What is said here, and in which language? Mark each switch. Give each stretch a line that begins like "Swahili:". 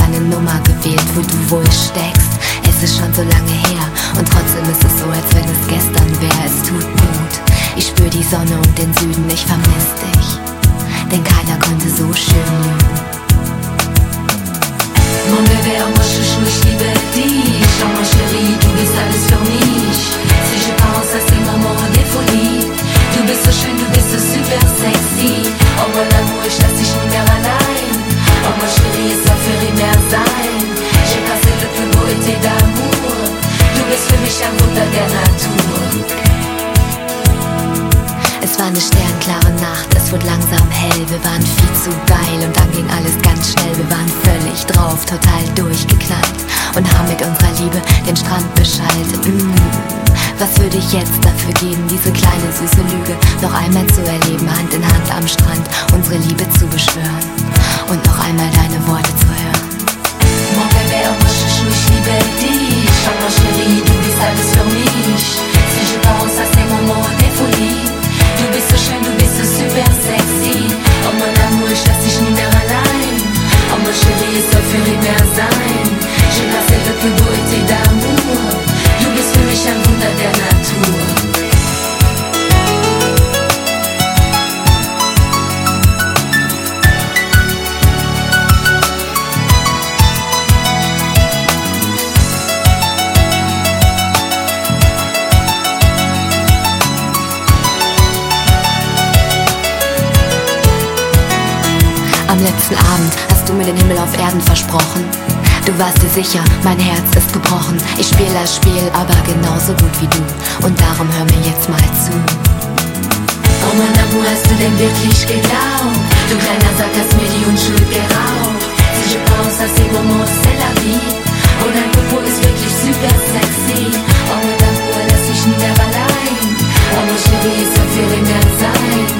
German: Nummer gewählt, wo du wohl steckst. Es ist schon so lange her und trotzdem ist es so, als wenn es gestern wäre. Es tut gut, ich spür die Sonne und den Süden, ich vermiss dich. Denn keiner konnte so schön lügen.
French: Mon bébé, moi je suis, je
German: liebe dich. Schau mal, chérie, du bist alles für mich.
French: Si je pense à ces moments de folie.
German: Du bist so schön, du bist so super sexy.
French: Oh, mon amour,
German: ich lass dich nie mehr allein.
French: Oh, mon chérie,
German: es soll für immer sein.
French: J'ai passé le plus beau été d'amour.
German: Du bist für mich ein Wunder der Natur. Es war eine sternklare Nacht, es wurde langsam hell. Wir waren viel zu geil und dann ging alles ganz schnell. Wir waren völlig drauf, total durchgeknallt und haben mit unserer Liebe den Strand beschallt. Was würde ich jetzt dafür geben, diese kleine süße Lüge noch einmal zu erleben, Hand in Hand am Strand unsere Liebe zu beschwören und noch einmal deine Worte zu hören.
French: Mon bébé, moi je suis,
German: ich liebe dich.
French: Oh, mon chéri,
German: du bist alles für mich.
French: Si je pense à ces moments de folie.
German: Du bist so schön, du bist so super sexy.
French: Oh mon amour,
German: ich lass dich nie mehr allein.
French: Oh mon chéri,
German: es soll für immer sein.
French: J'ai passé le plus beau été d'amour.
German: Du bist für mich ein Wunder der Natur. Letzten Abend hast du mir den Himmel auf Erden versprochen. Du warst dir sicher, mein Herz ist gebrochen. Ich spiele das Spiel, aber genauso gut wie du. Und darum hör mir jetzt mal zu. Oh mein Amour, hast du denn wirklich geglaubt? Du kleiner Sack, hast mir die Unschuld geraubt.
French: Si je pense à ces moments, c'est la vie.
German: Und dein Popo ist wirklich super sexy. Oh mein Amour, lass mich nie mehr allein.
French: Oh mon chéri,
German: es soll für immer sein.